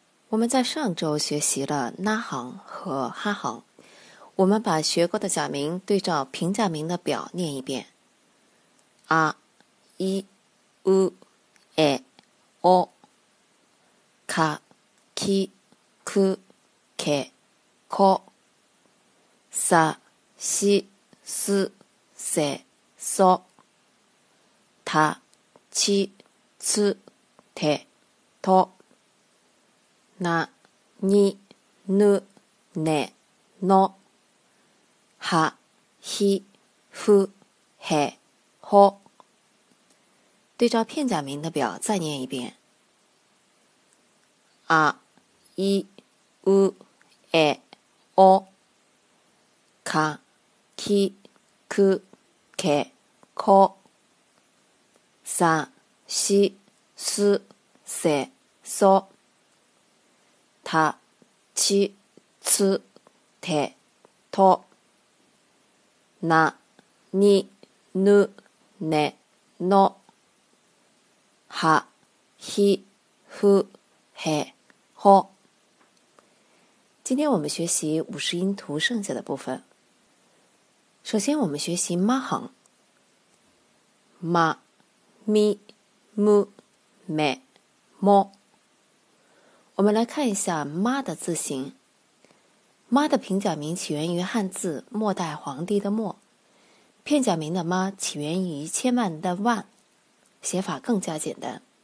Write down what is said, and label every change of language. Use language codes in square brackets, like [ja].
[zh] 我们在上周学习了那行和哈行，我们把学过的假名对照平假名的表念一遍。 [ja] 啊、一、u、え、お、か、き、く、け、こ、さ、し、す、せ、そ、た、ち、つ、て、と、な、に、ぬ、ね、の、は、ひ、ふ、へ、ほ。 [zh] 对照片假名的表再念一遍。 [ja] あ、い、う、え、お、か、き、く、け、こ、さ、し、す、せ、そ、た、ち、つ、て、と、な、に、ぬ、ね、の、は、ひ、ふ、へ、ほ。 [zh] 今天我们学习五十音图剩下的部分。首先我们学习ま行。 [ja] ま、み、む、め、も。 [zh] 我们来看一下妈的字形。妈的平假名起源于汉字末代皇帝的末，片假名的妈起源于千万的万，写法更加简单。